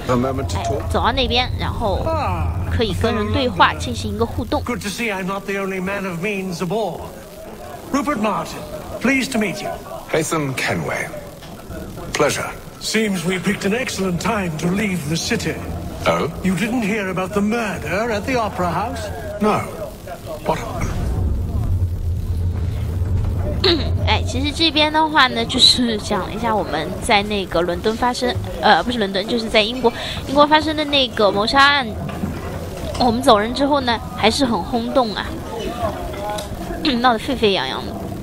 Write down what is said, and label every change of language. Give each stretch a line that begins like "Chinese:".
Chinese: 哎，走到那边，然后可以跟人对话，进行一个互动。
English: Good to see I'm not the only man of means aboard. Rupert Martin, pleased to meet you. Haytham Kenway, pleasure. Seems we picked an excellent time to leave the city. Oh. You didn't hear about the murder at the Opera House? No.
Chinese: 哎，其实这边的话呢，就是讲一下我们在那个伦敦发生，不是伦敦，就是在英国发生的那个谋杀案。我们走人之后呢，还是很轰动啊，闹得沸沸扬扬的。